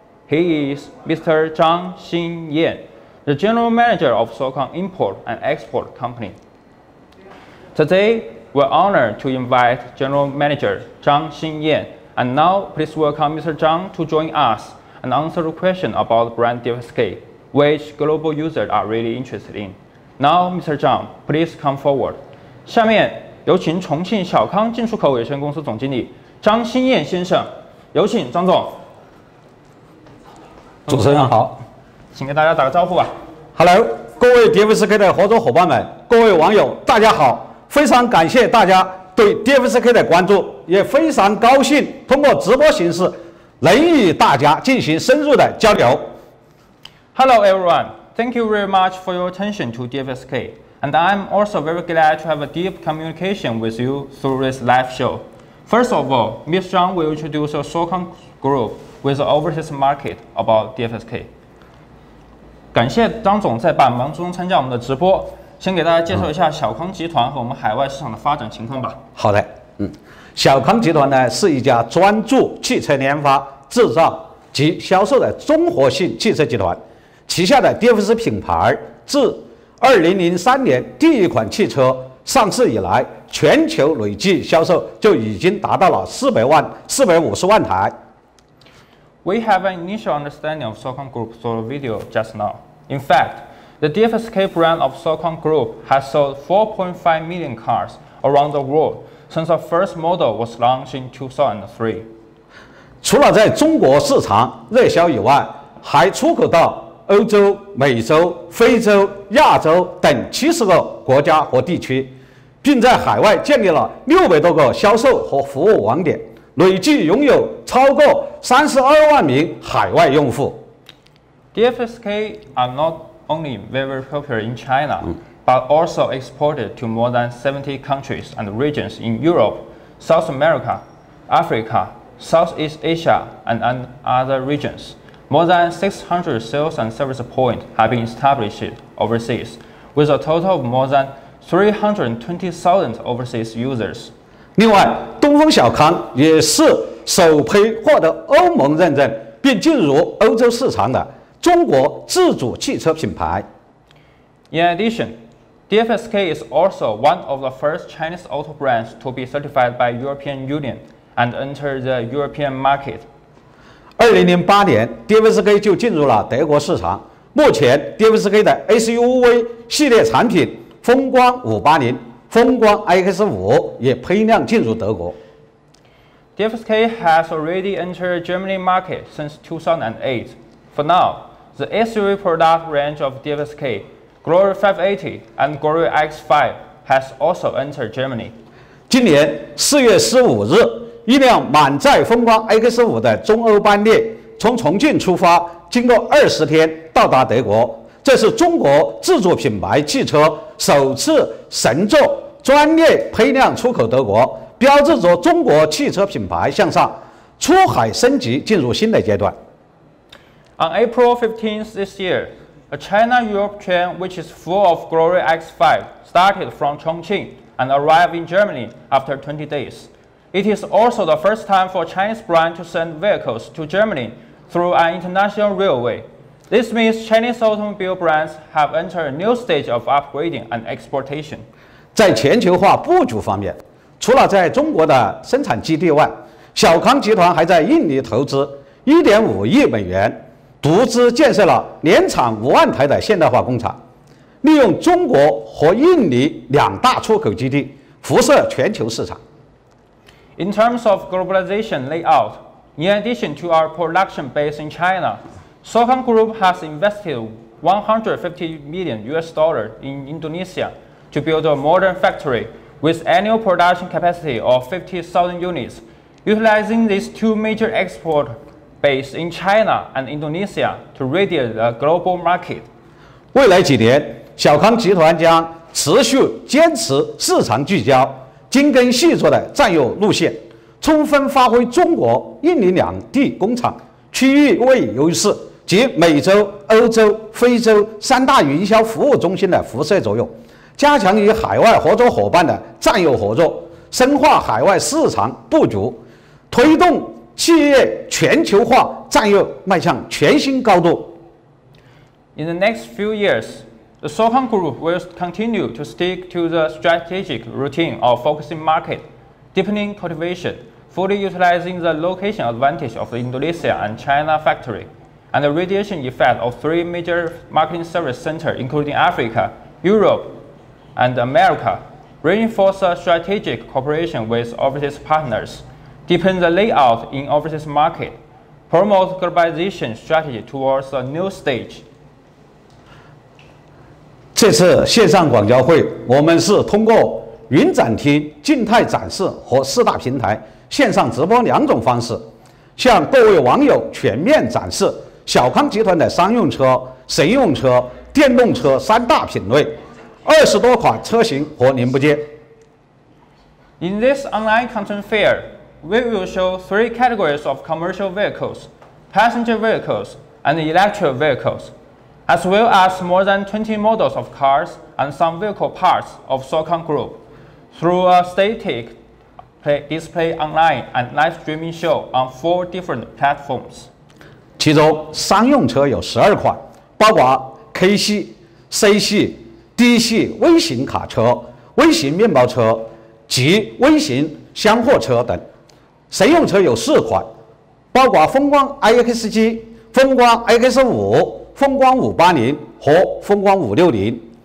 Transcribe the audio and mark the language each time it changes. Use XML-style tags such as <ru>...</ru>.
<en>He is Mr. Zhang Xingyan, the general manager of Socon Import and Export Company. Today, we're honored to invite general manager Zhang Xingyan. And now, please welcome Mr. Zhang to join us and answer the question about brand DFSK, which global users are really interested in. Now, Mr. Zhang, please come forward.</en> <zh>下面有请重庆小康进出口有限公司总经理张新燕先生，有请张总。主持人好，请给大家打个招呼吧。 Hello， 各位 DFSK 的合作伙伴们，各位网友，大家好，非常感谢大家对 DFSK 的关注，也非常高兴通过直播形式能与大家进行深入的交流。</zh> <en>Hello everyone, thank you very much for your attention to DFSK, and I'm also very glad to have a deep communication with you through this live show. First of all, Ms. Zhang will introduce a Socon Group with the overseas market about DFSK.</en> <zh>感谢张总在百忙中参加我们的直播。先给大家介绍一下小康集团和我们海外市场的发展情况吧。好的，小康集团呢是一家专注汽车研发、制造及销售的综合性汽车集团，旗下的 DFS 品牌自2003年第一款汽车上市以来，全球累计销售就已经达到了450万台。</zh> <en>We have an initial understanding of Socon Group through the video just now. In fact,The DFSK brand of Socon Group has sold 4.5 million cars around the world since the first model was launched in 2003.</en> <zh>除了在中国市场热销以外，还出口到欧洲、美洲、非洲、亚洲等70个国家和地区，并在海外建立了600多个销售和服务网点，累计拥有超过32万名海外用户。</zh> <en>DFSK are not only very popular in China, but also exported to more than 70 countries and regions in Europe, South America, Africa, Southeast Asia, and other regions. More than 600 sales and service points have been established overseas, with a total of more than 320,000 overseas users.</en> <zh>另外，东风小康也是首批获得欧盟认证并进入欧洲市场的中国自主汽车品牌。</zh> <en>In addition, DFSK is also one of the first Chinese auto brands to be certified by European Union and enter the European market.</en> <zh>2008年 DFSK 就进入了德国市场。目前 DFSK 的 SUV 系列产品风光580、风光 X5 也批量进入德国。</zh> <en>DFSK has already entered Germany market since 2008. For now,The SUV product range of DFSK, Glory 580 and Glory X5, has also entered Germany.</en> <zh>今年4月15日，一辆满载风光 X5 的中欧班列从重庆出发，经过20天到达德国。这是中国自主品牌汽车首次乘坐专列批量出口德国，标志着中国汽车品牌向上出海升级进入新的阶段。</zh> <en>On April 15th this year, a China-Europe train which is full of Glory X5 started from Chongqing and arrived in Germany after 20 days. It is also the first time for a Chinese brand to send vehicles to Germany through an international railway. This means Chinese automobile brands have entered a new stage of upgrading and exportation.</en> <zh>在全球化布局方面，除了在中国的生产基地外，小康集团还在印尼投资1.5亿美元，独资建设了年产50,000台的现代化工厂，利用中国和印尼两大出口基地，辐射全球市场。</zh> <en>In terms of globalization layout, in addition to our production base in China, Shaohan Group has invested $150 million in Indonesia to build a modern factory with annual production capacity of 50,000 units. Utilizing these two major export bases in China and Indonesia to radiate the global market.</en> <zh>未来几年，小康集团将持续坚持市场聚焦、精耕细作的战略路线，充分发挥中国、印尼两地工厂区域位优势及美洲、欧洲、非洲三大营销服务中心的辐射作用，加强与海外合作伙伴的战略合作，深化海外市场布局，推动企业全球化战略迈向全新高度。</zh> <en>In the next few years, the Shaohan Group will continue to stick to the strategic routine of focusing market, deepening cultivation, fully utilizing the location advantage of the Indonesia and China factory, and the radiation effect of three major marketing service centers, including Africa, Europe, and America, reinforce a strategic cooperation with overseas partners. Deepen the layout in overseas market, promote globalization strategy towards a new stage.</en> <zh>这次线上广交会，我们是通过云展厅、静态展示和四大平台线上直播两种方式，向各位网友全面展示小康集团的商用车、乘用车、电动车三大品类，20多款车型和零部件。</zh> <en>In this online content fair,We will show three categories of commercial vehicles, passenger vehicles, and electric vehicles, as well as more than 20 models of cars and some vehicle parts of Shaohan Group through a static display online and live streaming show on 4 different platforms.</en> <zh>其中商用车有12款，包括 K 系、C 系、D 系微型卡车、微型面包车及微型厢货车等。乘用车有4款，包括风光 iX7、风光 iX5、风光580和风光560。</zh>